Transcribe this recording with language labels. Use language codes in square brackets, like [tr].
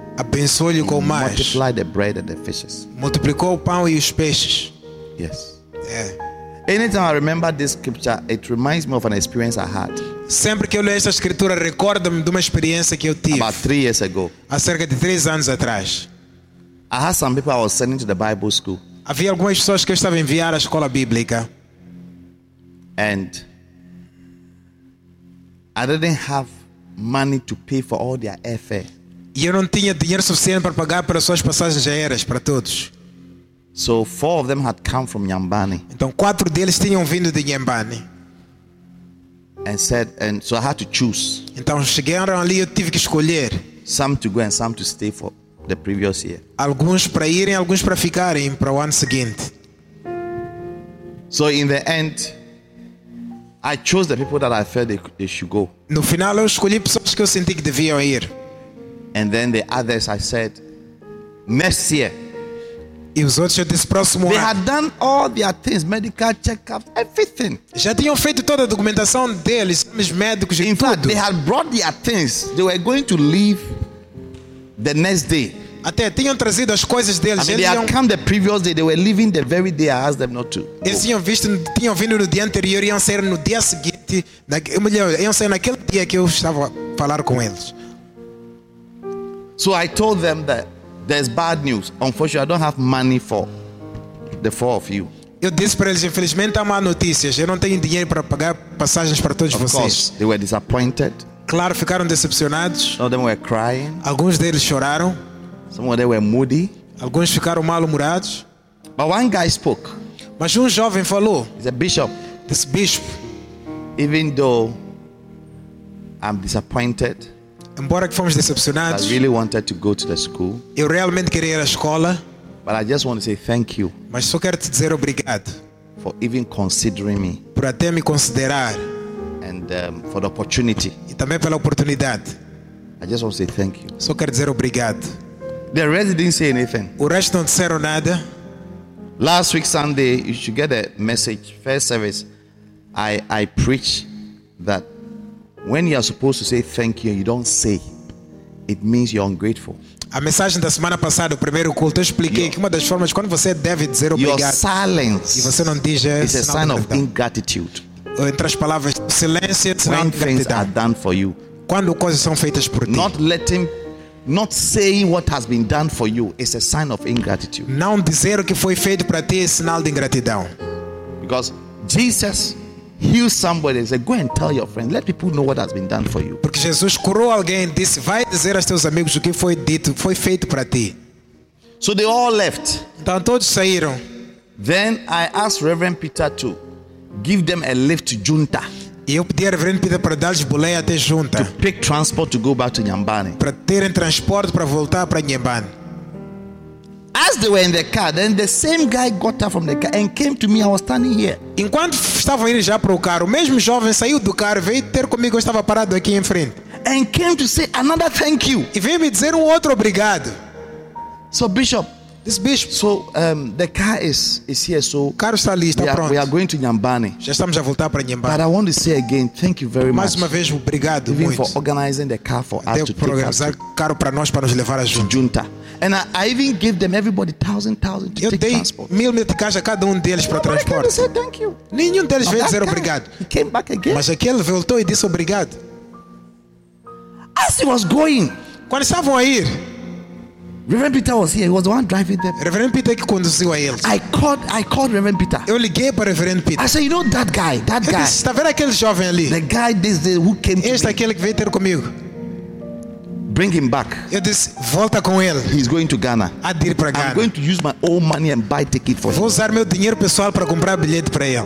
[pt] Abençoou-lhe com mais. [en] Multiplied the bread and the fishes. [pt] Multiplicou o pão e os peixes. [en] Yes. [pt] É. [en] Anytime I remember this scripture, it reminds me of an experience I had. [pt] Sempre que eu leio esta escritura, recordo-me de uma experiência que eu tive. [en] About 3 years ago. [pt] Há cerca de 3 anos atrás. [en] I had some people I was sending to the Bible school. [pt] Havia algumas pessoas que eu estava a enviar à escola bíblica. [en] And I didn't have money to pay for all their airfare. [pt] E eu não tinha dinheiro suficiente para pagar pelas suas passagens aéreas para todos. [en] So 4 of them had come from Nyambane. [pt] Então 4 deles tinham vindo de Nyambane. [en] And so I had to choose. [pt] Então chegaram ali, eu tive que escolher. [en] Some to go and some to stay for the previous year. [pt] Alguns para irem, alguns para ficarem para o ano seguinte. [en] So in the end, I chose the people that I felt they should go. [pt] No final, eu escolhi pessoas que eu senti que deviam ir. [en] And then the others, I said, next year. [pt] E os outros, eu disse, próximo [en] they [pt] ano. [en] They had done all their things, medical checkups, everything. [pt] Já tinham feito toda a documentação deles, os médicos e [en] in [pt] tudo. [en] Fact, they had brought their things. They were going to leave the next day. [pt] Até tinham trazido as coisas deles. [en] I mean, they had come the previous day. They were leaving the very day I asked them not to. [pt] Eles tinham vindo no dia anterior e iam sair no dia seguinte. Iam sair naquele dia que eu estava a falar com eles. [en] So I told them that there's bad news. Unfortunately, I don't have money for the 4 of you. [pt] Eu disse para eles, infelizmente há má notícias. Eu não tenho dinheiro para pagar passagens para todos [en] of [pt] vocês. [en] Course, they were disappointed. [pt] Claro, ficaram decepcionados. [en] Some of them were crying. [pt] Alguns deles choraram. [en] Some of them were moody. [pt] Alguns ficaram mal-humorados. [en] But one guy spoke. [pt] Mas um jovem falou. [en] He's a bishop. This bishop. Even though I'm disappointed. [pt] Embora que fomos decepcionados, [en] I really wanted to go to the school. [pt] Eu realmente queria ir à escola. [en] But I just want to say thank you. [pt] Mas só quero te dizer obrigado. [en] For even considering me. [pt] Por até me considerar. [en] And for the opportunity. [pt] E também pela oportunidade. [en] I just want to say thank you. [pt] Só quero dizer obrigado. [en] The rest didn't say anything. [pt] O resto não disseram nada. [en] Last week Sunday, you should get a message. First service, I preach that when you are supposed to say thank you, you don't say, it means you're ungrateful. [pt] A mensagem da semana passada, o primeiro culto, eu expliquei que uma das formas quando você deve dizer obrigado, e você não diz, é [en] a sign of ingratitude. [pt] Entre as palavras, silêncio, [en] when things are done for you, [pt] quando coisas são feitas por ti, [en] not letting, not saying what has been done for you is a sign of ingratitude. [pt] Não dizer o que foi feito para ti é sinal de ingratidão. [en] Because Jesus heal somebody and say, go and tell your friend, let people know what has been done for you. [pt] Porque Jesus curou alguém, disse, vai dizer aos teus amigos o que foi dito, foi feito para ti. [en] So they all left. [pt] Então todos saíram. [en] Then I asked Reverend Peter to give them a lift to Junta. [pt] E eu pedi a Reverend Peter para dar-lhes boleia até Junta. [en] To pick transport to go back to Nyambane. [pt] Para terem transporte para voltar para Nyambane. [en] As they were in the car, then the same guy got up from the car and came to me. I was standing here. [pt] Enquanto estavam indo já para o carro, o mesmo jovem saiu do carro, veio ter comigo. Eu estava parado aqui em frente. [en] And came to say another thank you. [pt] E veio me dizer outro obrigado. [en] So Bishop, this Bishop. So the car is here. So [pt] o carro está ali, está pronto. [en] We are going to Nyambane. [pt] Já estamos a voltar para Nyambane. [en] But I want to say again, thank you very much. [pt] Mais uma vez, obrigado [en] even [pt] muito. [en] For organizing the car for us to [pt] programar [en] take [pt] carro para nós para nos levar a Junta. [en] And I even gave them everybody thousand to [pt] eu [en] take [pt] dei [en] transport. [pt] Mil mil de caixa a cada deles para transporte. [en] Said, thank you. [pt] Nenhum deles veio dizer obrigado. [en] He came back again. [pt] Mas aquele voltou e disse obrigado. [en] As he was going, [pt] quando estavam a ir, [en] Reverend Peter was here. He was the one driving them. [pt] Reverend Peter que conduziu a eles. [en] I called Reverend Peter. [pt] Eu liguei para Reverend Peter. [en] I said, you know that guy, that [pt] eu [en] guy. [pt] Está vendo aquele jovem ali? [en] The guy this day who came [pt] este [en] to me. [pt] Aquele que veio ter comigo. [en] Bring him back. [pt] Eu disse, volta com ele. [en] He's going to Ghana. [pt] A ir para Ghana. [en] I'm going to use my own money and buy ticket for him. [pt] Vou usar meu dinheiro pessoal para comprar bilhete para ele.